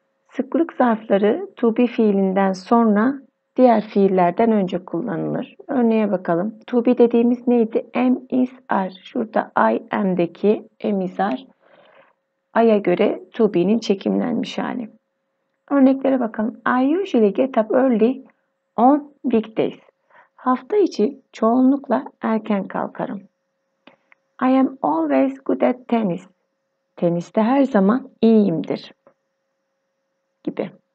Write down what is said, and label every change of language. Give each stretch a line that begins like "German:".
Turkish: Sıklık zarfları to be fiilinden sonra diğer fiillerden önce kullanılır. Örneğe bakalım. To be dediğimiz neydi? Am is are. Şurada I am'deki am is are. I'a göre to be'nin çekimlenmiş hali. Örneklere bakalım.
English: I usually get up early on weekdays.
Turkish: Hafta içi çoğunlukla erken kalkarım.
English: I am always good at tennis.
Turkish: Teniste her zaman iyiyimdir. Gibi.